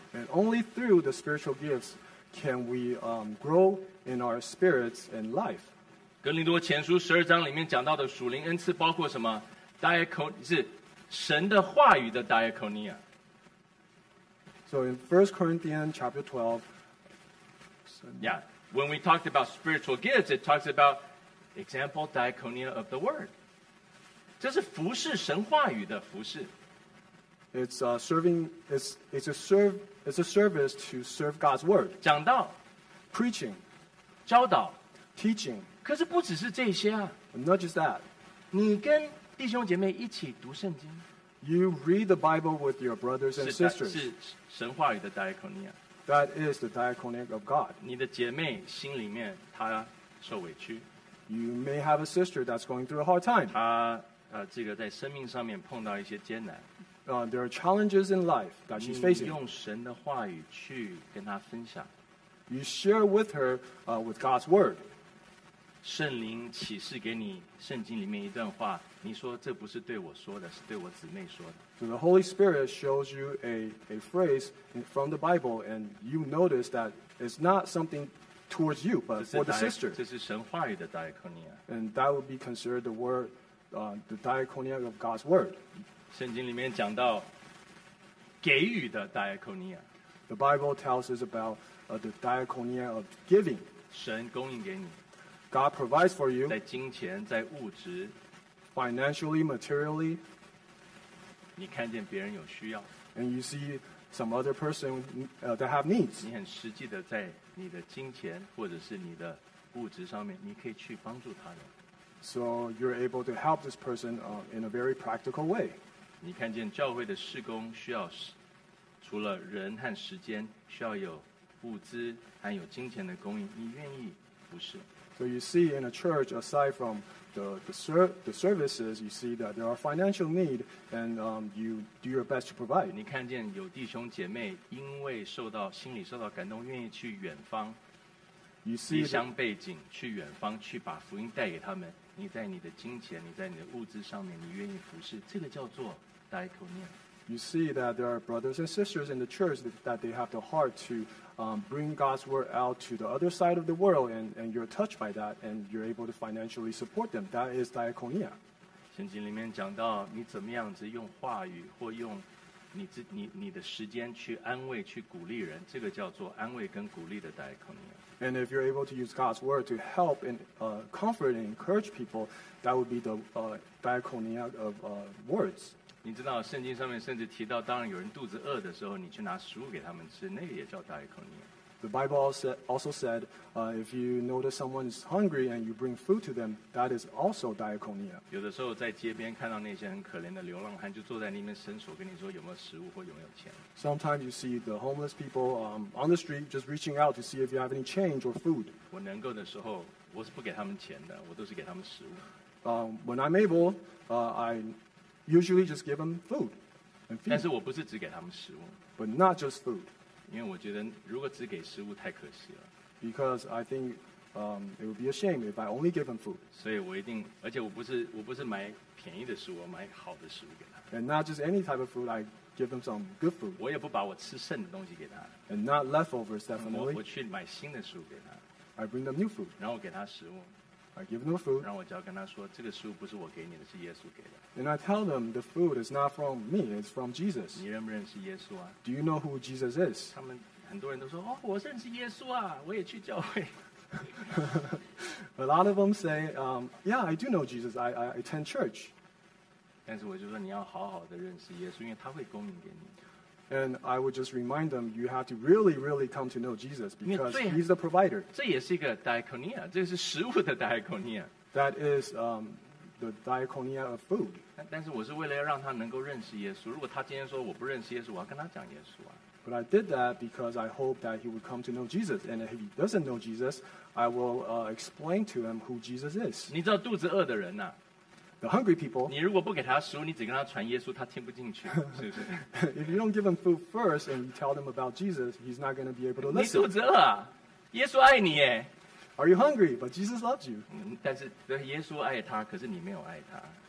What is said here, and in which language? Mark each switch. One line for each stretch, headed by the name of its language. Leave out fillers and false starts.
English: And only through the spiritual gifts can we grow in our spirits and life.
Chinese: 哥林多前书十二章里面讲到的属灵恩赐包括什么？ diakonia 是神的话语的 diakonia。
English: So in 1 Corinthians chapter 12. Yeah, when we talked about spiritual gifts, it talks about example diakonia of the word.
Chinese: 这是服事神话语的服事。
English: It's a service to serve God's word.
Chinese: 讲道。
English: Preaching.
Chinese: 教导。
English: Teaching.
Chinese: 可是不只是这些啊。
English: But not just that.
Chinese: 你跟弟兄姐妹一起读圣经。
English: You read the Bible with your brothers and sisters.
Chinese: 是神话语的 diakonia.
English: That is the diakonia of God.
Chinese: 你的姐妹心里面她受委屈。
English: You may have a sister that's going through a hard time.
Chinese: 她这个在生命上面碰到一些艰难。
English: There are challenges in life that she's facing.
Chinese: 你用神的话语去跟她分享。
English: You share with her with God's word.
Chinese: 圣灵启示给你圣经里面一段话，你说这不是对我说的，是对我姊妹说的。
English: So the Holy Spirit shows you a phrase from the Bible, and you notice that it's not something towards you, but for the sister.
Chinese: 这是神话语的 diakonia.
English: And that would be considered the word, the diakonia of God's word.
Chinese: 圣经里面讲到给予的 diakonia.
English: The Bible tells us about the diakonia of giving.
Chinese: 神供应给你。
English: God provides for you
Chinese: 在金钱在物质
English: financially, materially
Chinese: 你看见别人有需要
English: and you see some other person that have needs
Chinese: 你很实际的在你的金钱或者是你的物质上面你可以去帮助他人
English: so you're able to help this person in a very practical way
Chinese: 你看见教会的事工需要除了人和时间需要有物资还有金钱的供应你愿意服侍
English: So you see in a church, aside from the services, you see that there are financial need, and you do your best to provide.
Chinese: 你看见有弟兄姐妹因为受到心里受到感动，愿意去远方，离乡背井去远方去把福音带给他们。你在你的金钱，你在你的物资上面，你愿意服侍，这个叫做 diakonia.
English: You see that there are brothers and sisters in the church that they have the heart to. Bring God's word out to the other side of the world and you're touched by that and you're able to financially support them. That is diakonia.
Chinese: 圣经里面讲到你怎么样子用话语或用 你的时间去安慰去鼓励人这个叫做安慰跟鼓励的 diakonia.
English: And if you're able to use God's word to help and comfort and encourage people, that would be the diakonia of words.
Chinese: 你知道圣经上面甚至提到当有人肚子饿的时候你去拿食物给他们吃那个也叫 diakonia
English: The Bible also said if you notice someone is hungry and you bring food to them that is also diakonia
Chinese: 有的时候在街边看到那些很可怜的流浪汉就坐在那边伸手跟你说有没有食物或有没有钱
English: Sometimes you see the homeless people on the street just reaching out to see if you have any change or food
Chinese: 我能够的时候我是不给他们钱的我都是给他们食物
English: When I'm able I usually just give them food and feed.
Chinese: 但是我不是只给他们食物
English: but not just food
Chinese: 因为我觉得如果只给食物太可惜了
English: because I think it would be a shame if I only give them food
Chinese: 所以我一定而且我不是买便宜的食物我买好的食物给他
English: and not just any type of food I give them some good food
Chinese: 我也不把我吃剩的东西给他
English: and not leftovers definitely
Chinese: 我去买新的食物给他
English: I bring them new food
Chinese: 然后给他食物
English: I give them food.
Chinese: 让我只要跟他说，这个食物不是我给你的，是耶稣给的。
English: And I tell them the food is not from me, it's from Jesus.
Chinese: 你认不认识耶稣啊
English: ？Do you know who Jesus is?
Chinese: 他们很多人都说，哦，我认识耶稣啊，我也去教会。
English: A lot of them say, yeah, I do know Jesus. I attend church.
Chinese: 但是我就说你要好好的认识耶稣，因为他会供应给你。
English: And I would just remind them, you have to really, really come to know Jesus because he's the provider.
Chinese: 这也是一个 diakonia, 这是食物的 diakonia.
English: That is the diakonia of food.
Chinese: 但是我是为了让他能够认识耶稣。如果他今天说我不认识耶稣，我要跟他讲耶稣啊。
English: But I did that because I hope that he would come to know Jesus. And if he doesn't know Jesus, I will explain to him who Jesus is.
Chinese: 你知道肚子饿的人啊。
English: The hungry people.
Chinese: 你如果不给他食物，你只跟他传耶稣，他听不进去，是不是
English: ？If you don't give him food first and you tell them about Jesus, he's not going to be able to listen.
Chinese: 你肚子饿，耶稣爱你耶。
English: Are you hungry? But Jesus loves you.
Chinese: 但是耶稣爱他，可是你没有爱他。